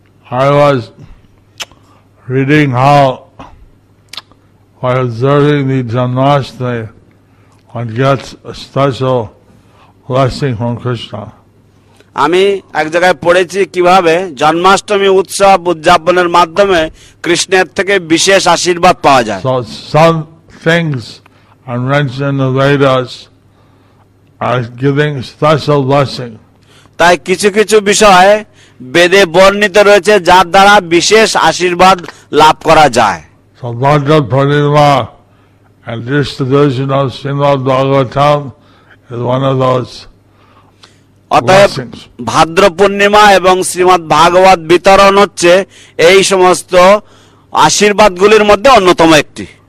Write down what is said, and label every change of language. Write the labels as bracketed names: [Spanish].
[English] I was reading how while observing the Janmashtami one gets a special blessing from Krishna. [Bangla] আমি এক জায়গায় পড়েছি কিভাবে জন্মাষ্টমী উৎসব উদযাপনের মাধ্যমে কৃষ্ণের থেকে বিশেষ আশীর্বাদ পাওয়া যায়। [English] So some things are mentioned in the Vedas as giving special blessing. [Bangla] তাই কিছু কিছু বিষয় বেদে বর্ণিত রয়েছে যার দ্বারা বিশেষ আশীর্বাদ লাভ করা যায়। [English] So Bhadra Purnima and distribution of Srimad Bhagavatam is one of those. [Bangla] অতএব ভাদ্র পূর্ণিমা এবং শ্রীমদ ভাগবত বিতরণ হচ্ছে এই সমস্ত আশীর্বাদগুলির মধ্যে অন্যতম একটি।